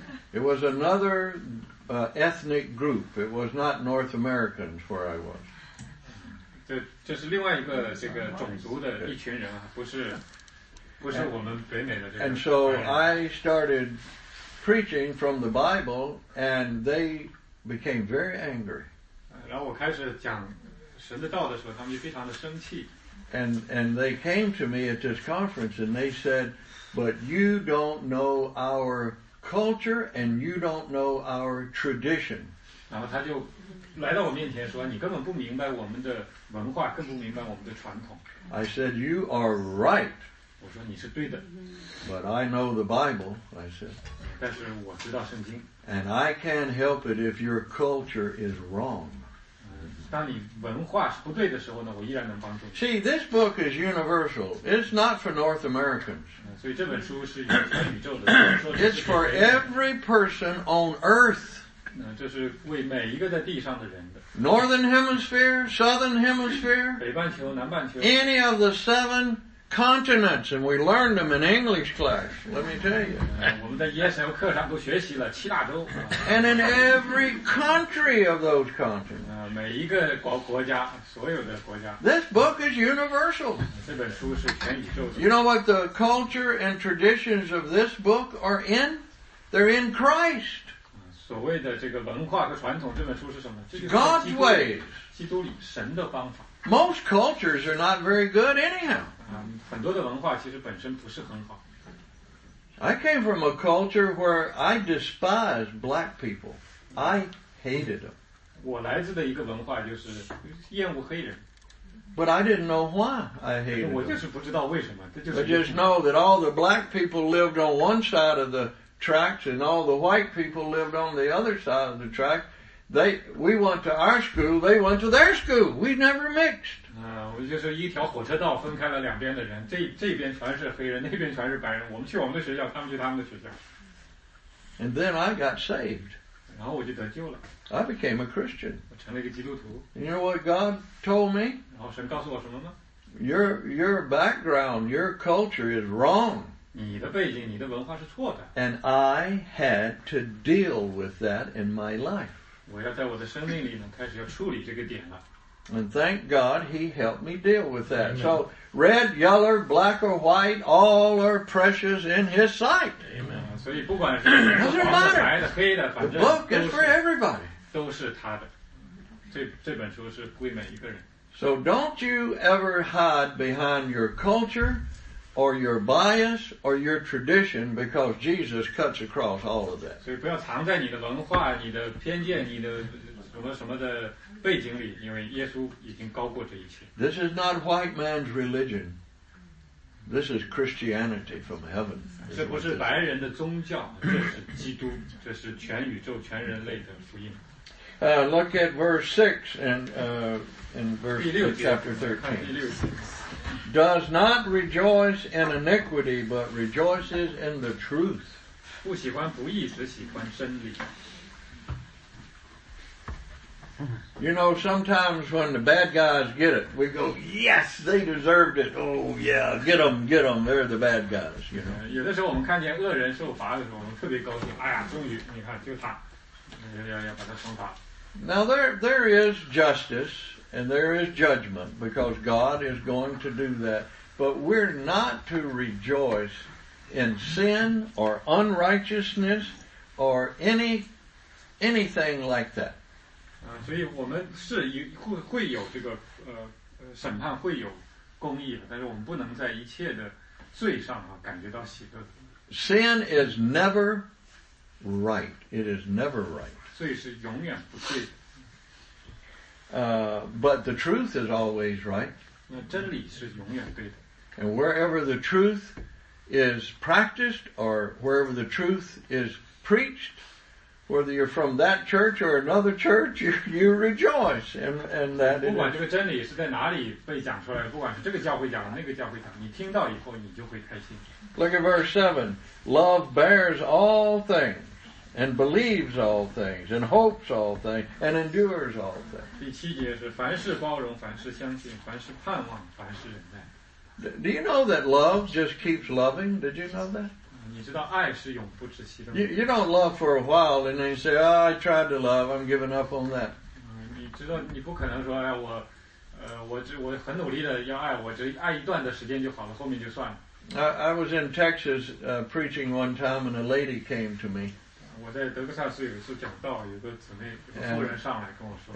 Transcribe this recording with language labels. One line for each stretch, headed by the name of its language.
English: It was another ethnic group. It was not North Americans where I was.
Chinese: 这是另外一个这个种族的一群人啊，不是我们北美的这个。
English: And so I started preaching from the Bible, and they became very angry.
Chinese: 然后我开始讲神的道的时候，他们就非常的生气。
English: And they came to me at this conference, and they said, "But you don't know our culture, and you don't know our tradition."
Chinese: 然后他就来到我面前说，你根本不明白我们的文化，更不明白我们的传统。
English: I said, you are right.
Chinese: 我说你是对的。
English: But I know the Bible, I said.
Chinese: 但是我知道圣经。
English: And I can't help it if your culture is wrong.
Chinese: 当你文化是不对的时候呢，我依然能帮助你。
English: See, this book is universal. It's not for North Americans.
Chinese: 所以这本书是宇宙的。
English: It's for every person on earth.
Chinese: 这是为每一个在地上的人的。
English: Northern Hemisphere, Southern Hemisphere,
Chinese: 北半球、南半球。
English: Any of the seven continents, and we learned them in English class, let me tell you.
Chinese: 我们在 ESL 课上都学习了七大洲。
English: And in every country of those continents.
Chinese: 每一个国家,所有的国家。
English: This book is universal.
Chinese: 这本书是全宇宙的。
English: You know what the culture and traditions of this book are in? They're in Christ.
Chinese: 所谓的这个文化和传统，这本书是什么？就是
English: God's ways，
Chinese: 基督里神的方法。
English: Most cultures are not very good anyhow。
Chinese: 很多的文化其实本身不是很好。
English: I came from a culture where I despised black people. I hated them。
Chinese: 我来自的一个文化就是厌恶黑人。
English: But I didn't know why I hated them。
Chinese: 我就是不知道为什么。
English: I just know that all the black people lived on one side of the tracks and all the white people lived on the other side of the track. We went to our school, they went to their school. We never mixed.
Chinese: 我就是一条火车道分开了两边的人，这边全是黑人，那边全是白人。我们去我们的学校，他们去他们的学校。
English: And then I got saved.
Chinese: 然后我就得救了。
English: I became a Christian.
Chinese: 我成了一个基督徒。
English: You know what God told me?
Chinese: 然后神告诉我什么吗？
English: Your background, your culture is wrong.
Chinese: 你的背景，你的文化是错的。
English: And I had to deal with that in my life.
Chinese: 我要在我的生命里呢，开始要处理这个点了。
English: And thank God he helped me deal with that. So red, yellow, black or white, all are precious in his sight. Amen.
Chinese: 所以不管是黄的、白的、黑的，反正
English: The book is for everybody.
Chinese: 都是他的。这本书是归每一个人。
English: So don't you ever hide behind your culture. Or your bias, or your tradition, because Jesus cuts across all of that.
Chinese: 所以不要藏在你的文化、你的偏见、你的什么什么的背景里，因为耶稣已经高过这一切。
English: This is not white man's religion. This is Christianity from heaven.
Chinese: 这不是白人的宗教，这是基督，这是全宇宙、全人类的福音。
English: Look at verse 6 and in verse chapter 13. Does not rejoice in iniquity, but rejoices in the truth.
Chinese: 不喜欢不义，只喜欢真理。
English: You know, sometimes when the bad guys get it, we go, yes, they deserved it. Oh, yeah, get them. They're the bad guys, you know.
Chinese: 有的时候我们看见恶人受罚的时候，我们特别高兴。哎呀，终于，你看，就他，要把他惩罚。
English: Now, there is justice. And there is judgment because God is going to do that. But we're not to rejoice in sin or unrighteousness or anything like that.
Chinese: 所以我们是会有这个审判会有公义的，但是我们不能在一切的罪上啊感觉到喜乐。
English: Sin is never right. It is never right.
Chinese: 所以是永远不对的。
English: But the truth is always right.
Chinese: 那真理是永远对的。
English: And wherever the truth is practiced, or wherever the truth is preached, whether you're from that church or another church, you rejoice in that.
Chinese: 不管这个真理是在哪里被讲出来，不管是这个教会讲的，那个教会讲，你听到以后，你就会开心。
English: Look at verse 7. Love bears all things, and believes all things, and hopes all things, and endures all things.
Chinese: 第七节是凡事包容，凡事相信，凡事盼望，凡事忍耐。
English: Do you know that love just keeps loving? Did you know that?
Chinese: 你知道爱是永不止息的吗？
English: You don't love for a while and then you say, oh, I tried to love, I'm giving up on that.
Chinese: 你知道你不可能说，哎，我，我很努力的要爱，我只爱一段的时间就好了，后面就算了。
English: I was in Texas preaching one time and a lady came to me.
Chinese: 我在德克萨斯有一次讲道，有个姊妹，有个妇人上来跟我说。